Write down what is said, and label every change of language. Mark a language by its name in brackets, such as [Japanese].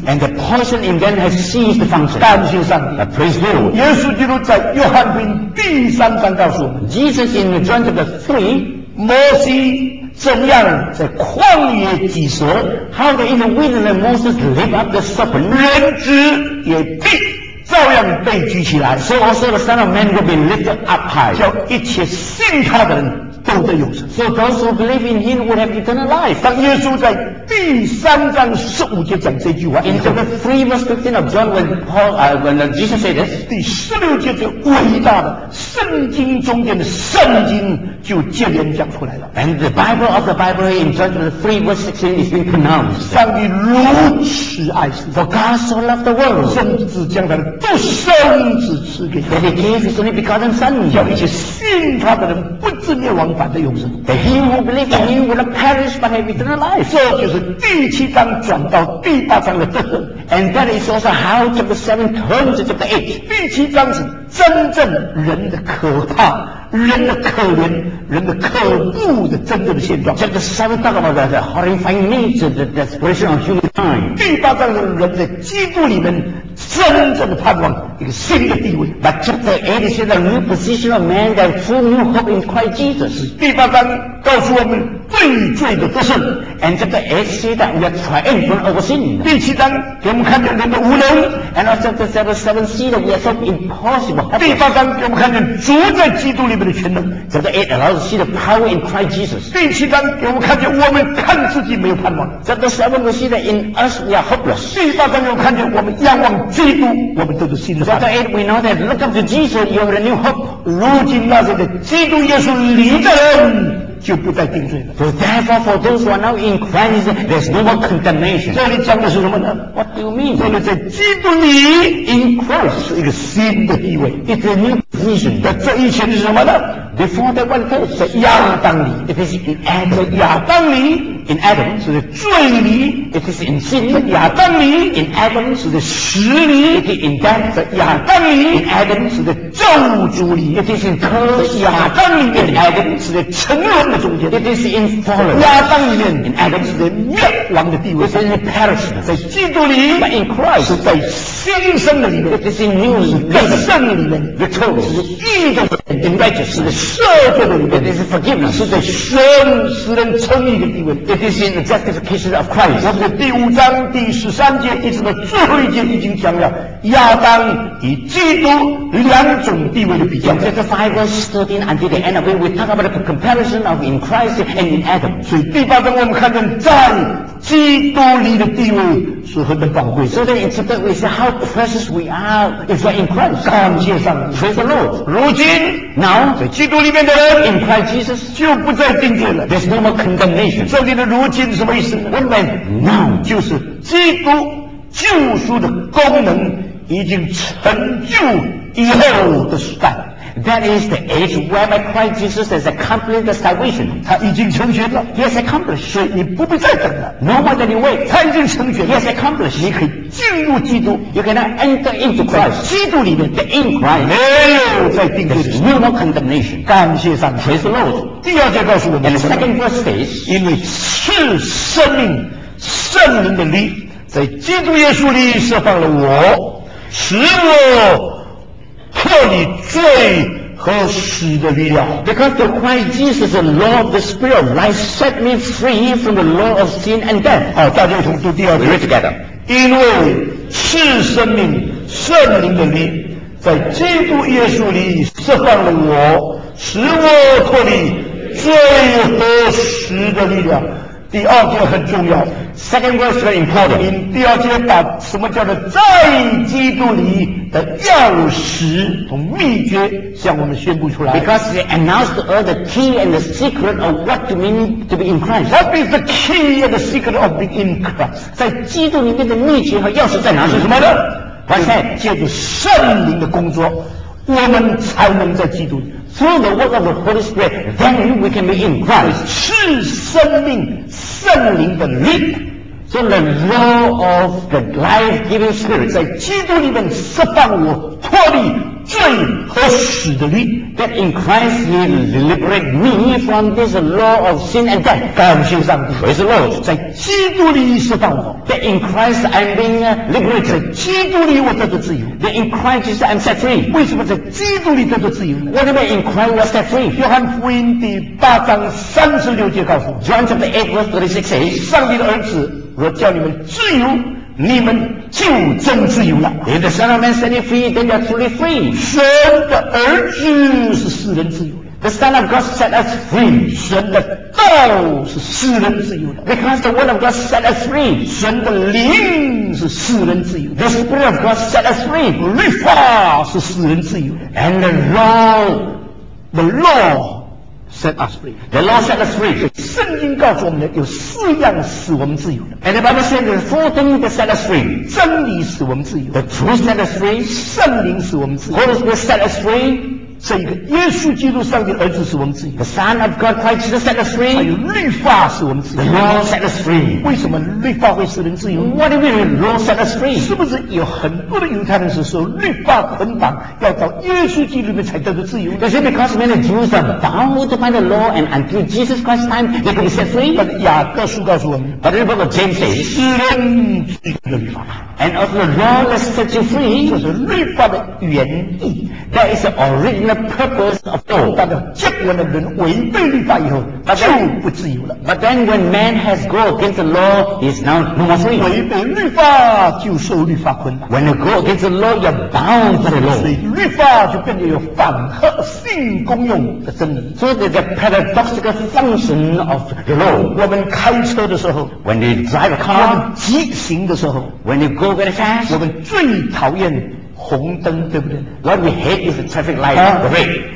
[English] and the poison in them has ceased to function [Chinese] 感谢上帝 [English] praise the Lord [Chinese] 耶稣基督在约翰福音第三章告诉我们 [English] Jesus in the John chapter 3 [Chinese] Moses 怎样在旷野击蛇 [English] how the even wilderness Moses lift up the serpent [Chinese] 人子也必照样被举起来 [English] so also the son of man will be lifted up high [Chinese] 叫一切信他的人都得永生 [English] so those who believe in him will have eternal life [Chinese] 当耶稣在第三章十五节讲这句话 [English] in chapter 3 verse 15 of John when, Paul,、when Jesus said this [Chinese] 第十六节这伟大的圣经中间的圣经就接连讲出来了 [English] and the Bible of the Bible in John chapter 3 verse 16 is being pronounced [Chinese] 上帝如此爱世 [English] for God so loved the world [Chinese] 甚至将他的独生子赐给 [English] that he gave his only begotten son [Chinese] 叫一切信他的人不至灭亡反得永生 [English] that he who believes in him will not perish but have eternal life [Chinese] 这就是第七章转到第八章的特色 [English] and that is also how chapter 7 turns to chapter 8 [Chinese] 第七章是真正人的可怕人的可怜人的可恶的真正的现状 [English] chapter 7 talks about the horrifying nature the desperation of humankind [Chinese] 第八章是人在基督里面真正的盼望一个新的地位 [English] but chapter 8 is the new position of man that full new hope in Christ Jesus [Chinese] 第八章告诉我们罪罪的得胜 [English] and chapter 8 says that we are triumphant over sin [Chinese] 第七章给我们看见人的无能 [English] and also chapter 7 see that we are so impossible [Chinese] 第八章给我们看见主在基督里面的全能 [English] chapter 8 allows us to see the power in Christ Jesus [Chinese] 第七章给我们看见我们看自己没有盼望 [English] chapter 7 we see that in us we are hopeless [Chinese] 第八章给我们看见我们仰望基督我们都是新的 [English] chapter 8 we know that look up to Jesus you have a new hope [Chinese] 如今那些的基督耶稣里的人就不再定罪了。 [English] So therefore, for those who are now in Christ, there's no more condemnation. [Chinese] 这里讲的是什么呢 [English] ？What do you mean? [Chinese] 这里在基督里 [English] in Christ [Chinese] 是一个新的地位 [English] ，it's a new position. [Chinese] 那这以前是什么呢 [English] ？Before that one first [Chinese] 是亚当里 [English] ，it is in Adam. [Chinese] 亚当里 [English] in Adam [Chinese] 是在罪里 [English] ，it is in sin. [Chinese] 在亚当里 [English] in Adam [Chinese] 是在死里 [English] ，it is in death. [Chinese] 在亚当里 [English] in Adam [Chinese] 是在咒诅里 [English] ，it is in curse. [Chinese] 在亚当里面 [English] in Adam [Chinese] 是在沉沦。 [English] It is in fallen. [Chinese] 亚当里面 [English] ，in Adam [Chinese] 是在灭亡的地位 [English] ，it is in perish. [Chinese] 在基督里 [English] ，but in Christ [Chinese] 是在新生的里面 [English] ，it is in new. [Chinese] 更胜里面 [English] ，victorious. [Chinese] 是义的 [English] ，in righteous. [Chinese] 是在赦罪的里面 [English] ，it is forgiveness. [Chinese] 是在神使人称义的地位 [English] ，it is in the justification of Christ. [Chinese] 我们的第五章第十三节一直到最后一节已经讲了亚当与基督两种地位的比较。这是 [English] 5 verse 13 until the end of it. We talk about the comparison of in Christ and in Adam [Chinese] 所以第八章我们看见在基督里的地位是何等宝贵的 [English] so then in chapter we say how precious we are if we are in Christ [Chinese] 感谢上 [English] 帝 praise the Lord [Chinese] 如今 [English] now [Chinese] 在基督里面的人 [English] in Christ Jesus [Chinese] 就不再定罪了 [English] there's no more condemnation [Chinese] 这里的如今是什么意思 [English] what then now [Chinese] 就是基督救赎的功能已经成就以后的时代 [English] That is the age whereby Christ Jesus has accomplished the salvation. [Chinese] 他已经成全了。 [English] He has accomplished. [Chinese] 所以你不必再等了。 [English] No more than you wait. [Chinese] 他已经成全了。 [English] He has accomplished. [Chinese] 你可以进入基督。 [English] You can enter into Christ. [Chinese] 基督里面 [English] 的 in Christ. [Chinese] 没有再定罪。 [English] There's no more condemnation. [Chinese] 感谢上帝。 [English] Praise the Lord. [Chinese] 第二节告诉我们。 [English] And the second verse says, [Chinese] 因为赐生命圣灵的灵在基督耶稣里释放了我，使我。破你罪和死的力量 [English] Because the Christ Jesus the law of the spirit of life set me free from the law of sin and death [Chinese] 好大家同读第二节 [English] read together [Chinese] 因为赐生命圣灵的灵在基督耶稣里释放了我使我破你罪和死的力量第二节很重要 [English] Second verse very important [Chinese] 第二节把什么叫做在基督里的钥匙从秘诀向我们宣布出来 [English] Because he announced to us the key and the secret of what to mean to be in Christ What is the key and the secret of being in Christ [Chinese] 在基督里面的秘诀和钥匙在哪里是什么呢 [English] What's that [Chinese] 借着圣灵的工作我们才能在基督里 [English] through the work of the Holy Spirit, then we can be in Christ. [Chinese] 是生命圣灵的灵。 [English] So the law of the life-giving Spirit [Chinese] 在基督里面释放我脱离罪和死的灵。 [English] That in Christ He liberate me from this law of sin and death. [Chinese] 感谢上帝。 [English] Praise the Lord. [Chinese] 在基督里释放我。 [English] That in Christ I'm being liberated. [Chinese] 在基督里我得到自由。 [English] That in Christ I'm set free. [Chinese] 为什么在基督里得到自由呢？ [English] What do you mean in Christ was set free? [Chinese] 约翰福音第八章三十六节告诉我。 [English] John chapter 8 verse 36 says, [Chinese] 上帝的儿子若叫你们自由，你们就真自由了。 [English] If the Son of Man set you free, then you are truly free. [Chinese] 神的儿子是世人自由的。 [English] The Son of God set us free. [Chinese] 神的道是世人自由的。 [English] Because the Word of God set us free. [Chinese] 神的灵是世人自由的。 [English] The Spirit of God set us free. [Chinese] 律法是世人自由的。 [English] And the law. Set us free. The law set us free. [Chinese] 圣经告诉我们的有四样使我们自由的。 [English] And the Bible says there are four things that set us free. [Chinese] 真理使我们自由。 [English] The truth set us free. [Chinese] 圣灵使我们自由。 [English] Holy Spirit set us free. [Chinese] 这个耶稣基督上帝儿子使我们自由。 [English] The Son of God Christ Jesus set us free. [Chinese] 还有律法使我们自由。 [English] The law set us free. [Chinese] 为什么律法会使人自由？ [English] What do you mean the law set us free? [Chinese] 是不是有很多的犹太人是受律法捆绑，要到耶稣基督里面才得到自由？ [English] Is it because many Jews are bound by the law and until Jesus Christ's time they can be set free? But [Chinese] 雅各书告诉我们。 [English] But the book of James says, [Chinese] 使人自由的律法。 [English] And of the law that set you free, [Chinese] 就是律法的原意。 [English] That is the original. Purpose of law. [Chinese] 但是结果的人违背律法以后 [English] then, [Chinese] 就不自由了。 [English] But then when man has gone against the law, he is now no more free. [Chinese] 违背律法就受律法捆绑。 [English] When you go against the law, you are bound by the law. [Chinese] 所以律法就变得有反和性功用的真理。 [English] So there's a paradoxical function of the law. [Chinese] 我们开车的时候 [English] ，When you drive a car. [Chinese] 我们急行的时候 [English] ，When you go very fast. [Chinese] 我们最讨厌。红灯对不对 [English] ？What we hate is the traffic light, red.